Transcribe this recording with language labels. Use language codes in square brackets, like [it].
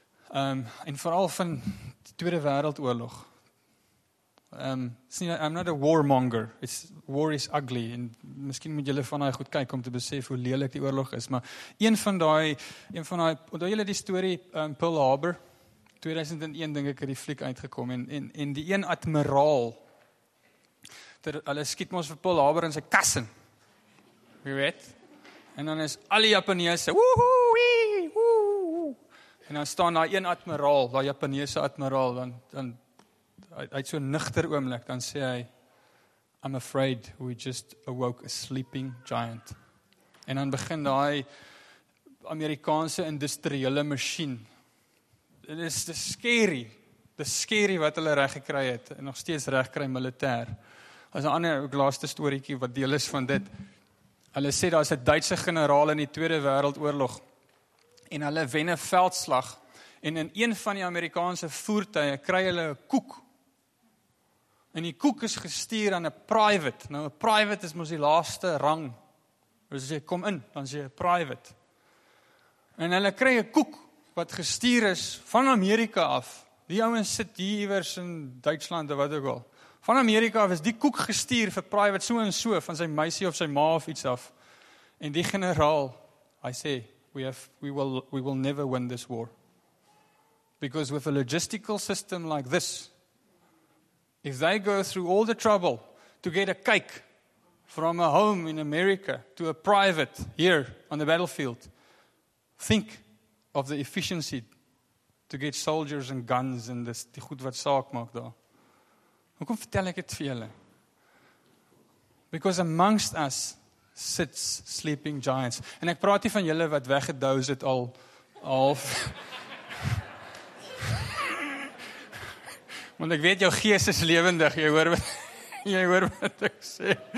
[af] En vooral van die Tweede Wêreldoorlog. [en] I'm not a warmonger. War is ugly. [af] En miskien moet julle van daai goed kyk om te besef hoe lelik die oorlog is. Maar een van daai, onthou julle die story Pearl Harbor? 2001, denk ek, het die fliek uitgekom. En die een admiraal, hulle skiet ons vir Pearl Harbor in sy kassen. Wie weet? En dan is al die Japanese, woehoe, woehoe. En dan staan daar een admiraal, daar Japanese admiraal, dan uit so'n nuchter oomlik, dan sê hy, [en] I'm afraid we just awoke a sleeping giant. [af] En dan begin daai Amerikaanse industriële machine. Dit is [en] the scary [af] wat hulle reg gekry het en nog steeds reg kry militêr. As 'n ander ook laaste storieetjie wat deel is van dit. Hulle sê daar's 'n Duitse generaal in die Tweede Wêreldoorlog en hulle wen 'n veldslag en in een van die Amerikaanse voertuie kry hulle 'n koek. En die koek is gestuur aan 'n private. Nou 'n private is mos die laaste rang. Hulle sê kom in, dan sê 'n private. En hulle kry 'n koek wat gestuur is van Amerika af. Die ouens sit hier iewers in Duitsland of wat ook al. Van Amerika af is die koek gestuur vir private so en so van sy meisie of sy ma of iets af. En die generaal, hy sê, [en] we will never win this war. Because with a logistical system like this, if they go through all the trouble to get a cake from a home in America to a private here on the battlefield, think of the efficiency to get soldiers and guns and this, [af] die goed wat saak maak daar. Hoekom vertel ek dit vir julle? [en] Because amongst us sits sleeping giants. [af] En ek praat hier van julle wat weggedoze het al half. Want ek weet jou gees is lewendig, jy hoor wat ek sê.